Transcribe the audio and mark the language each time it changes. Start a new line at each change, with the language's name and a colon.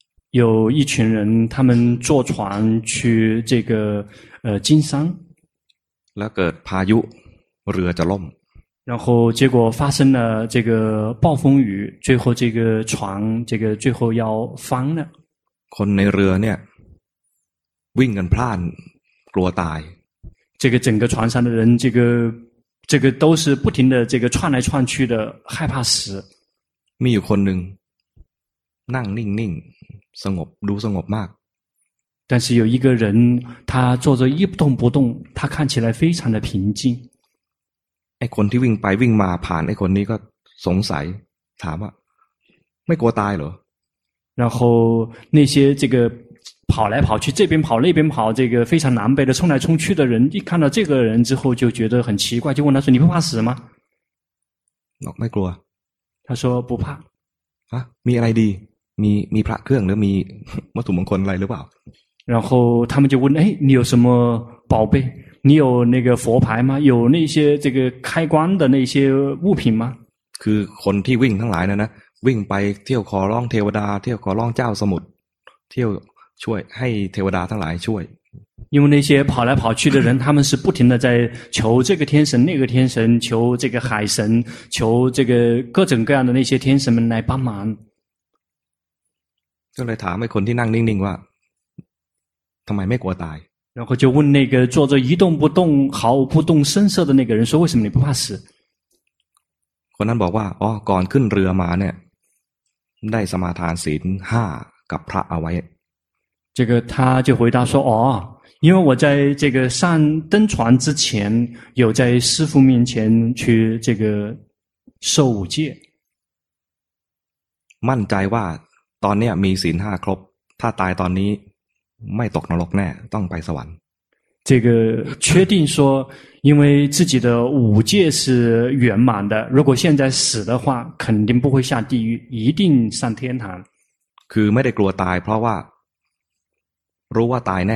Chinese: 有一群人他们坐船去这个经商
Thai: แล้วเกิดพายุเรือจะล่ม
Chinese: 然后结果发生了这个暴风雨最后这个船这个最后要翻了
Thai: คนในเรือเนี่ยวิ่งกันพล่านกลัวตาย
Chinese: 这个整个船上的人这个都是不停的这个窜来窜去的害怕死
Thai: มีอยู่คนหนึ่งนั่งนิ่งๆสงบดูสงบมาก
Chinese: 但是有一个人他坐着一动不动他看起来非常的平静
Thai: ไอ้คนที่วิ่งไปวิ่งมาผ่านไอ้คนนี้ก็สงสัยถามว่าไม่กลัวตายเหร
Chinese: อ然后那些这个跑来跑去这边跑那边跑这个非常狼狈的冲来冲去的人一看到这个人之后就觉得很奇怪就问他说你不怕死吗
Thai: ไม่กลัว
Chinese: 他说不怕
Thai: 啊มีอะไรดีมีพระเครื่องหรือมีวัตถุมงคลอะไรหรือเปล่า
Chinese: 然后他们就问哎你有什么宝贝你有那个佛牌吗有那些这个开关的那些物品吗
Thai: คือคนที่วิ่งทั้งหลายนะ วิ่งไปเที่ยวขอร้องเทวดาเที่ยวขอร้องเจ้าสมุทรเที่ยวช่วยให้เทวดาทั้งหลายช่วย
Chinese: 因为那些跑来跑去的人，他们是不停的在求这个天神、那个天神，求这个海神，求这个各种各样的那些天神们来帮忙。就来问
Thai: คนที่นั่งนิ่งๆว่าทำไมไม่กลัวตาย？
Chinese: 然后就问那个坐着一动不动、毫不动声色的那个人说：“为什么你不怕死？”
Thai: คนนั้นบอกว่าอ๋อก่อนขึ้นเรือมาเนี่ยได้สมาทานศีลห้ากับพระเอาไว้
Chinese: 这个他就回答说哦因为我在这个上登船之前有在师父面前去这个受五戒
Thai: มั่นใจว่าตอนนี้มีศีลห้าครบถ้าตายตอนนี้ไม่ตกนรกแน่ต้องไปสวรรค์
Chinese: 这个确定说因为自己的五戒是圆满的如果现在死的话肯定不会下地狱一定上天堂
Thai: คือไม่ได้กลัวตายเพราะว่ารู้ว่าตายแน